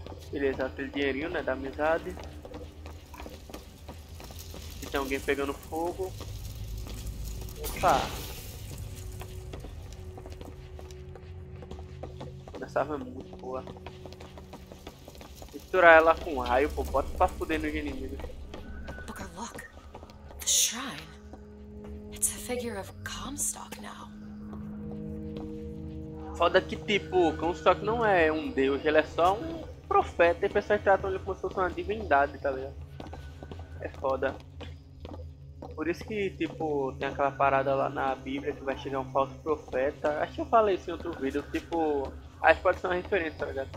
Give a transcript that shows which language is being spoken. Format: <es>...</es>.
<pt>Beleza, aquele dinheirinho, né, da amizade. Aqui tem alguém pegando fogo. Opa! Essa arma é muito boa. Misturar ela com raio, pô, bota pra fuder nos inimigos.</pt> <en>Booker, look. The shrine. It's a figure of Comstock now.</en> <pt>Foda que, tipo, Comstock não é um deus, ele é só um profeta. E pessoas tratam ele como se fosse uma divindade, tá ligado? É foda. Por isso que, tipo, tem aquela parada lá na Bíblia que vai chegar um falso profeta. Acho que eu falei isso em outro vídeo, tipo. Acho que pode ser uma referência, tá ligado?</pt>